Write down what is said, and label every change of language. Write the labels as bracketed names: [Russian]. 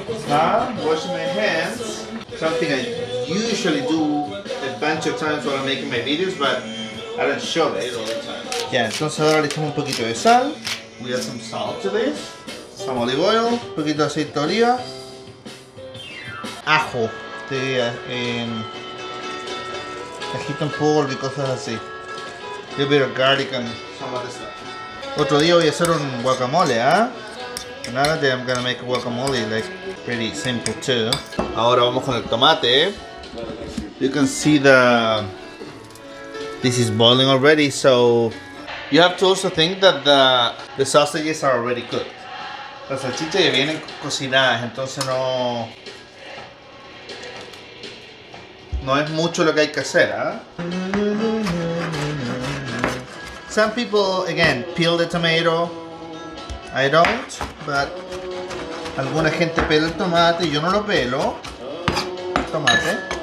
[English] Ah, washing my hands. Something I usually do a bunch of times when I'm making my videos, but I don't show it all the time. [Spanish] Ya, entonces ahora le echamos un poquito de sal. [English] we add some salt to this. Some olive oil, [Spanish] poquito aceite de oliva, ajo, te diría, agita un poco y cosas así. [English] A little bit of garlic and some other stuff. [Spanish] Otro día voy a hacer un guacamole, ¿eh? [English] Another day I'm gonna make a guacamole, like pretty simple too. [Spanish] Ahora vamos con el tomate. [English] You can see the this is boiling already, so you have to also think that the sausages are already cooked. [Spanish] Las salchichas ya vienen cocinadas, entonces no es mucho lo que hay que hacer, ¿eh? [English] Some people, again, peel the tomato. I don't, but [Spanish] alguna gente pela el tomate, yo no lo pelo. Tomate.